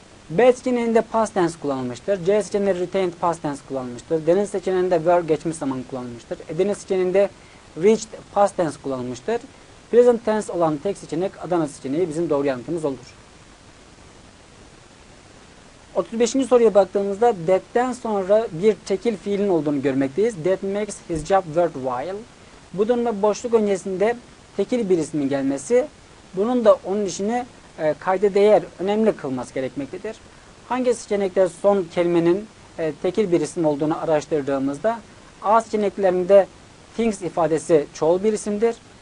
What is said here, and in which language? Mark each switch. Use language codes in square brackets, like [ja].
[tr] B seçeneğinde past tense kullanılmıştır. C seçeneğinde retained past tense kullanılmıştır. D seçeneğinde were geçmiş zaman kullanılmıştır. E seçeneğinde reached past tense kullanılmıştır. Present tense olan tek seçenek Adana seçeneği bizim doğru yanıtımız olur. 35. soruya baktığımızda that'den sonra bir tekil fiilin olduğunu görmekteyiz. [en] That makes his job worthwhile. [tr] Bu durumda boşluk öncesinde tekil bir ismin gelmesi, bunun da onun işini kayda değer, önemli kılması gerekmektedir. Hangi seçenekte son kelimenin tekil bir isim olduğunu araştırdığımızda A seçeneklerinde things ifadesi çoğul bir isimdir.